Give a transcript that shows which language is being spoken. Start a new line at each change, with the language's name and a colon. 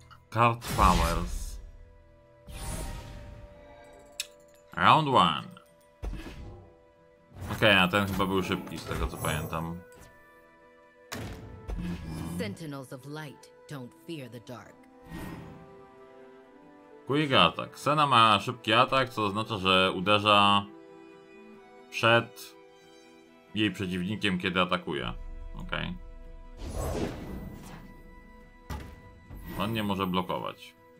English: Card Powers.
Polish: Round 1. Okej, okay, a ten chyba był szybki, z tego co pamiętam.
English: Sentinels of light don't fear the dark. Quick attack.
Polish: Xena ma szybki atak, co oznacza, że uderza przed jej przeciwnikiem, kiedy atakuje. Okej. Okay. On nie może blokować.